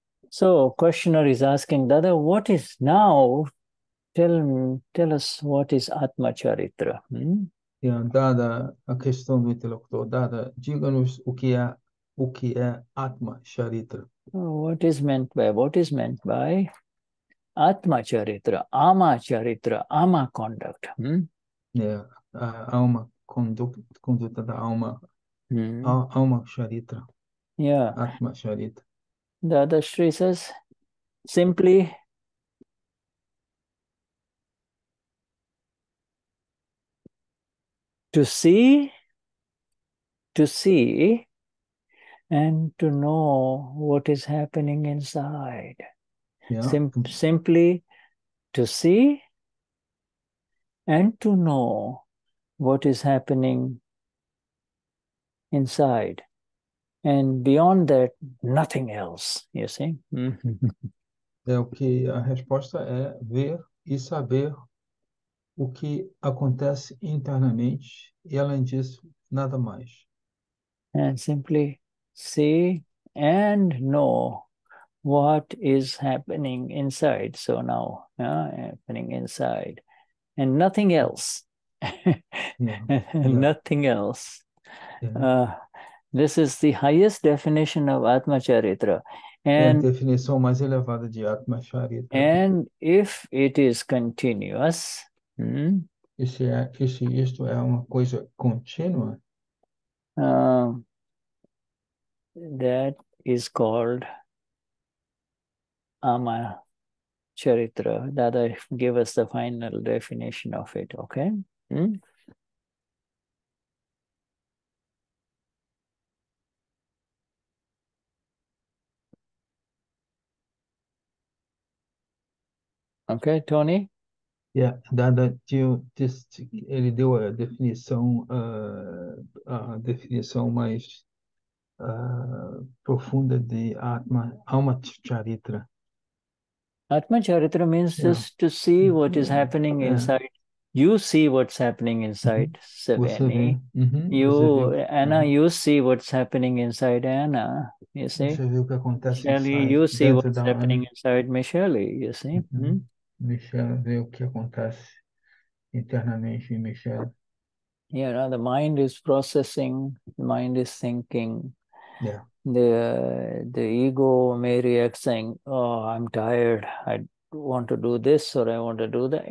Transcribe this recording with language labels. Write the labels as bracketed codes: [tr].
[en] So, questioner is asking, Dada, what is now? Tell us what is Atma Charitra. [pt] Dada a questão do interlocutor, Dada, diga-nos o que é Atma Charitra. [en] What is meant by Atma Charitra, Ama Charitra, Ama Conduct. [pt] A alma, conduta da alma. Alma Charitra, Atma Charitra. [en] Dadashri says simply, to see, and to know what is happening inside. Simply to see and to know what is happening inside. And beyond that, nothing else, you see? [pt] É o que a resposta é ver e saber o que acontece internamente e, além disso, nada mais. [en] And simply see and know what is happening inside. So now, happening inside. And nothing else. Nothing else. This is the highest definition of Atma Charitra. And [pt] é a definição mais elevada de Atma Charitra. [en] And if it is continuous, [pt] isto é uma coisa contínua, [en] that is called Ama Charitra. Dada, give us the final definition of it, okay? Okay, Tony? [pt] Yeah, Dada, ele deu a definição mais profunda de Alma Charitra. [en] Atma Charitra means just to see what is happening inside. You see what's happening inside, Sabani. You see what's happening inside Anna, you see? [pt] Você vê o que acontece Shelley, [en] inside, you see what's happening inside Michelle, you see? [pt] Michelle vê o que acontece internamente em Michelle. [en] You know, the mind is processing, the mind is thinking. Yeah. The ego may react saying, oh, I'm tired, I want to do this or I want to do that.